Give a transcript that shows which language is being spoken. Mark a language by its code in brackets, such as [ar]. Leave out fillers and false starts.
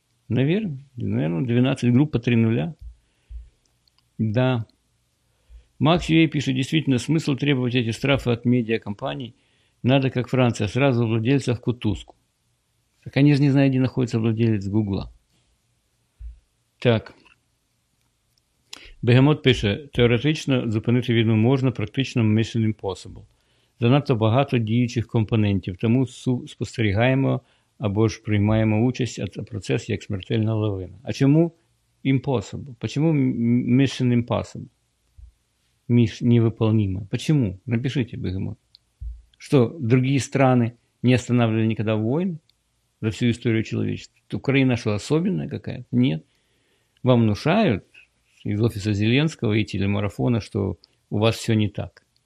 [ru] Наверное, 12 групп по 3 нуля. Да. Макс Юэй пишет, действительно, смысл требовать эти штрафы от медиакомпаний? Надо, как Франция, сразу владельца в кутузку. Так они же не знают, где находится владелец Гугла. Так. [uk] Бегемот пише, теоретично зупинити війну можна практично мислим способом. Занадто багато діючих компонентів, тому спостерігаємо або ж приймаємо участь, а процес як смертельна лавина. А чому [en] impossible? [ru] Почему [en] mission impossible? [ru] Миш невыполнима. Почему? Напишите, Бегемот. Что, другие страны не останавливали никогда войн за всю историю человечества? Украина что, особенная какая-то? Нет. Вам внушают из офиса Зеленского и телемарафона, что у вас все не так.